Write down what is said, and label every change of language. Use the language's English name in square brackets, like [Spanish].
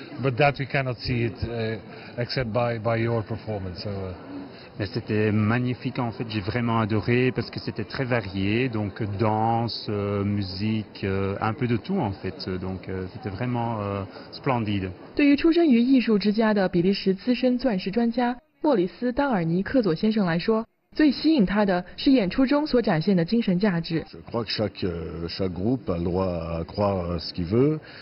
[English] But that we cannot see it except by your performance. [French] Mais c'était magnifique en fait, j'ai vraiment adoré parce que c'était très varié, donc danse, musique, un peu de tout en fait, donc c'était vraiment splendide. [Chinese] 对于出身于艺术之家的比利时资深钻石专家莫里斯·丹尔尼克佐先生来说，最吸引他的是演出中所展现的精神价值。 [French] Je crois que chaque groupe a le droit à croire ce qu'il veut.